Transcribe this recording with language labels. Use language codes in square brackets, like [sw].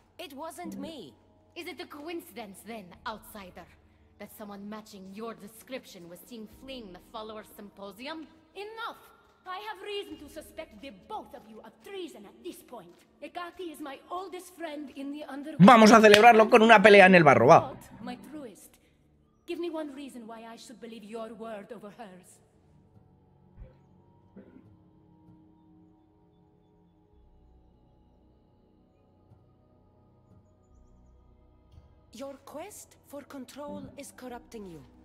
[en] It wasn't me. Is it a coincidence then, outsider, that someone matching your description was seen fleeing the follower symposium? Enough! I have reason to suspect the both of you of treason at this point. Hecate is my oldest friend in the underworld. [es] Vamos a celebrarlo con una pelea en el barro, va. [en] My truest. Give me one reason why I should believe your word over hers. Your quest for control is corrupting you.